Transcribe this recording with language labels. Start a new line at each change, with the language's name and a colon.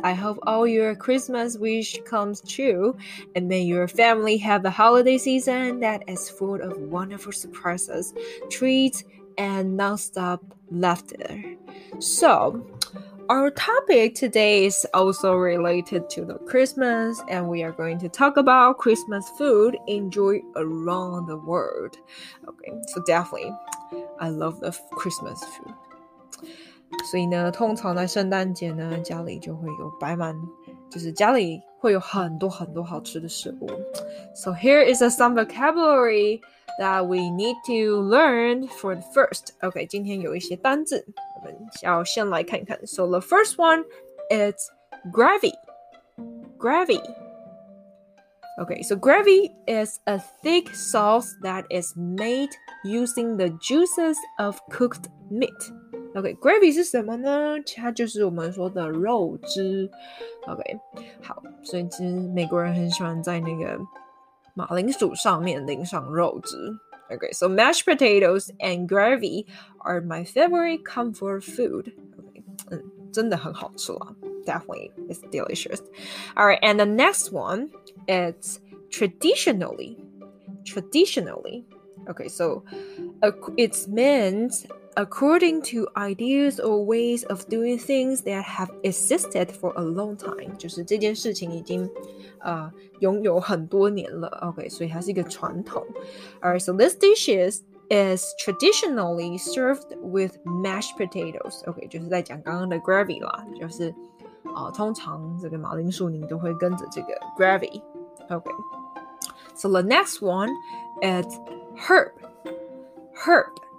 English: I hope all your Christmas wish comes true. And may your family have a holiday season that is full of wonderful surprises, treats, and non-stop laughter. So, our topic today is also related to the Christmas, and we are going to talk about Christmas food enjoyed around the world. Okay, so definitely, I love the Christmas food.
Chinese: 所以呢，通常在圣诞节呢，家里就会有摆满，就是家里会有很多很多好吃的食物。
English: So here is some vocabulary that we need to learn for the first.
Chinese: Okay, 今天有一些单字。要先来看看。
English: So the first one is gravy. Gravy. Okay, so gravy is a thick sauce that is made using the juices of cooked meat.
Chinese: Okay, gravy 是什么呢？它就是我们说的肉汁。 Okay, 好，所以其实美国人很喜欢在那个马铃薯上面淋上肉汁。
English: Okay, so mashed potatoes and gravy are my favorite comfort food.
Chinese: Okay, 真的很好吃啦。
English: Definitely, it's delicious. All right, and the next one is traditionally. Traditionally. Okay, so it's meant according to ideas or ways of doing things that have existed for a long time.
Chinese: 就是这件事情已经拥有很多年了。 Okay, 所以它是一个传统。
English: Alright, so this dish is traditionally served with mashed potatoes.
Chinese: Okay, 就是在讲刚刚的 gravy 啦。就是通常这个马铃薯泥都会跟着这个 gravy.
English: Okay, so the next one is herb. Herb.